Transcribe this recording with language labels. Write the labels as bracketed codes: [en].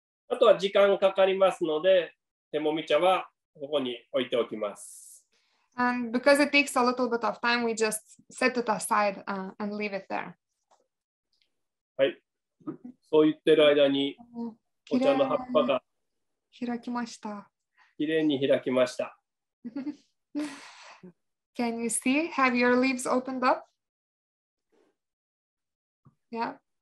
[ja] あとは時間かかりますので、手もみ茶はここに置いておきます。 [en] And because it takes a little bit of time, we just set it aside and leave it there. [ja] はい。そう言ってる間にお茶の葉っぱが開きました。きれいに開きました。 [en] Can you see? Have your leaves opened up? Yeah.